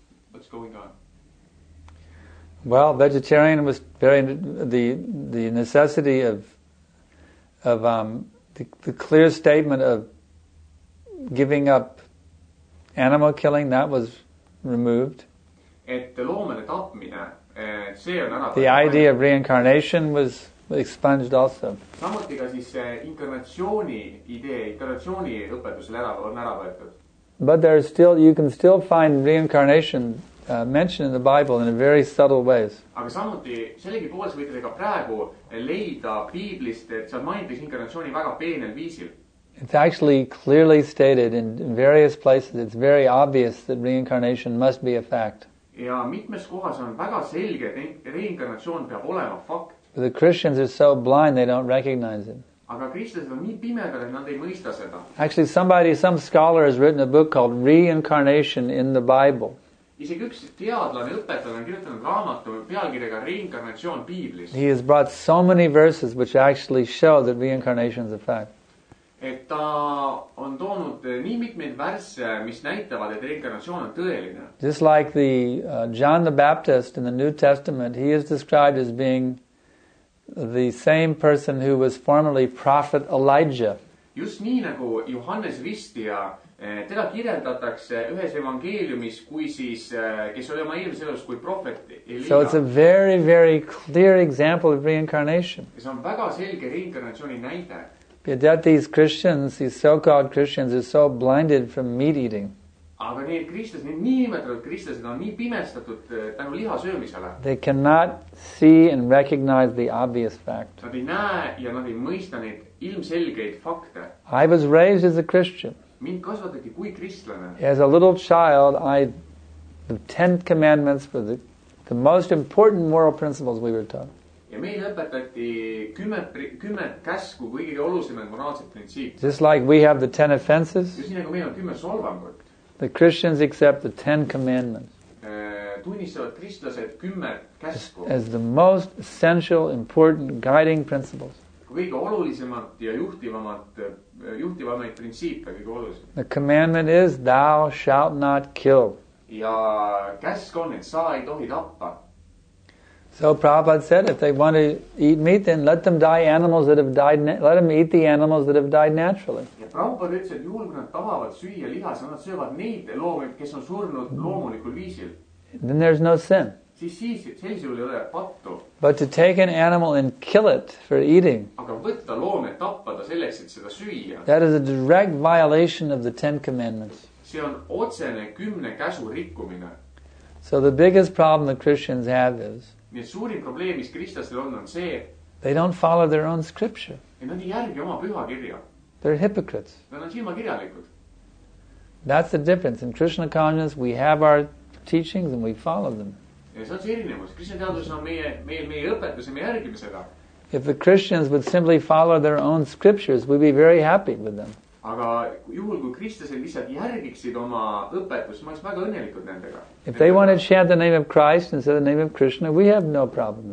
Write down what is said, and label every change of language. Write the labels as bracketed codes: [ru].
[en] What's going on? Well, vegetarian was very the necessity of the clear statement of giving up animal killing, that was removed. [et] Et loomade tapmine, see on ära. [en] The idea of reincarnation was expunged also. [et] Samuti ka siis inkarnatsiooni idee, inkarnatsiooni õpetusel on ära võetud. [en] But there is still, you can still find reincarnation mentioned in the Bible in a very subtle ways. [et] Aga samuti sellegi pooles võite ka praegu leida piiblist, et seal mainitakse inkarnatsiooni väga peenel viisil. [en] It's actually clearly stated in various places. It's very obvious that reincarnation must be a fact. [et] Ja mitmes kohas on väga selge, et reinkarnatsioon peab olema fakt. [en] But the Christians are so blind they don't recognize it. [et] Aga kristlased on nii pimedad, et nad ei mõista seda. [en] Actually, some scholar has written a book called Reincarnation in the Bible. [et] Isegi üks teadlane õpetaja on kirjutanud raamatu pealkirjaga Reinkarnatsioon piiblis. [en] He has brought so many verses which actually show that reincarnation is a fact. [et] Et ta on toonud nii mitmeid värsse, mis näitavad, et reinkarnatsioon on tõeline. [en] Just like the John the Baptist in the New Testament, he is described as being the same person who was formerly prophet Elijah. [et] Just nii nagu Johannes Ristija, teda kirjeldatakse ühes evangeeliumis, kui siis, kes oli oma eelmise elus kui prophet Elijah. [en] So it's a very, very clear example of reincarnation. [et] See on väga selge reinkarnatsiooni näide. [en] Yet that these Christians, these so-called Christians, are so blinded from meat eating. [et] Aga need kristlased, need niimetatud kristlased on nii pimestatud tänu liha söömisele. [en] They cannot see and recognize the obvious fact. [et] Nad ei näe ja nad ei mõista neid ilmselgeid fakte. [en] I was raised as a Christian. [et] Mind kasvatati kui kristlane. [en] As a little child, the tenth commandments were the most important moral principles we were taught. [et] Ja meil õpetati kümmet käsku kõige olulisemad moraalsed printsiibid. [en] Just like we have the ten offenses. [et] Just nii nagu meil on kümme solvangut. [en] The Christians accept the ten commandments. [et] Tunnistavad kristlased kümmet käsku. [en] As the most essential, important, guiding principles. [et] Kõige olulisemad ja juhtivamaid printsiibid kõige olulisemad. [en] The commandment is, thou shalt not kill. [et] Ja käsk on, et sa ei tohi tappa. [en] So Prabhupada said, if they want to eat meat, then let them die animals that have died. Let them eat the animals that have died naturally. [et] Ja Prabhupada ütles, et juhul, kui nad tahavad süüa liha, siis nad söövad neid loomi, kes on surnud loomulikul viisil. [en] Then there's no sin. [et] Siis sellisel ei ole pattu. [en] But to take an animal and kill it for eating. [et] Aga võtta loome tappada selleks, et seda süüa. [en] That is a direct violation of the Ten Commandments. [et] See on otsene kümne käsu rikkumine. [en] So the biggest problem the Christians have is. [et] Nii suurim probleem, mis kristlastel on see, [en] they don't follow their own scripture. [et] Ja nad ei järgi oma püha kirja. [en] They're hypocrites. [et] Nad on silmakirjalikud. [en] That's the difference. In Krishna consciousness, we have our teachings and we follow them. [et] Ja see on see erinevus. Krishna teadus on meie õpetus ja meie järgimisega. [en] If the Christians would simply follow their own scriptures, we'd be very happy with them. [et] Aga juhul, kui kristlased lihtsalt järgiksid oma õpetust, ma oleks väga õnnelikud nendega. [en] If they want to chant the name of Christ instead of the name of Krishna, we have no problem.